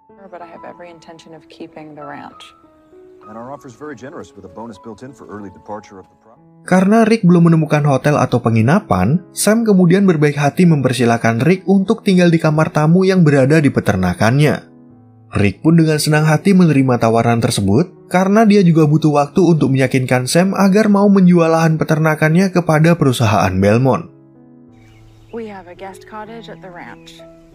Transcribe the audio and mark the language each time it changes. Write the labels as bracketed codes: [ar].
[en] But I have every intention of keeping the ranch. And our offer is very generous with a bonus built in for early departure of the property. [id] Karena Rick belum menemukan hotel atau penginapan, Sam kemudian berbaik hati mempersilahkan Rick untuk tinggal di kamar tamu yang berada di peternakannya. Rick pun dengan senang hati menerima tawaran tersebut, karena dia juga butuh waktu untuk meyakinkan Sam agar mau menjual lahan peternakannya kepada perusahaan Belmont. [en] We have a guest cottage at the ranch.